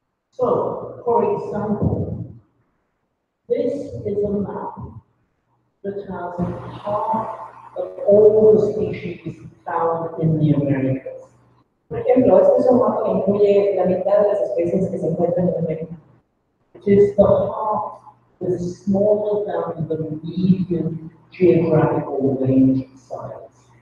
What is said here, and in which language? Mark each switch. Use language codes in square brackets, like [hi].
[en] So, for example, this is a map that has half of all the species found in the Americas. [es] Por ejemplo, este es un mapa que incluye la mitad de las especies que se encuentran en América. [en] It is the half that is smaller than the median geographical range size.